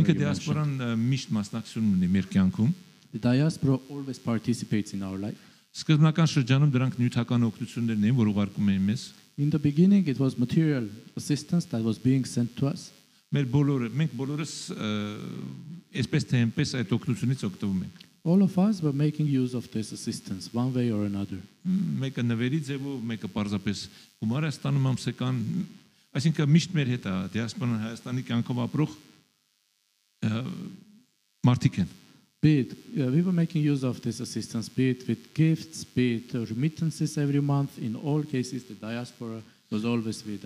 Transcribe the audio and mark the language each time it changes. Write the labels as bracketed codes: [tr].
[hy] Ինքը դիասպորան միշտ մասնակցություն ունի մեր կյանքում. [en] The diaspora always participates in our life. [hy] Սկզբնական շրջանում դրանք նյութական օգնություններն էին, որ ուղարկում էին մեզ. [en] In the beginning it was material assistance that was being sent to us. [hy] Մեր բոլորը, մենք բոլորս այսպես թե այնպես այդ օգնությունից օգտվում ենք. [en] All of us were making use of this assistance one way or another. [hy] Մեկը նվերի ձևով, մեկը պարզապես գումար է ստանում ամսական, այսինքն միշտ մեր հետ է, դիասպորան Հայաստանի կյանքով ապրող մարդիկ են. [en] Be it, we were making use of this assistance, be it with gifts, be it remittances every month. In all cases, the diaspora was always with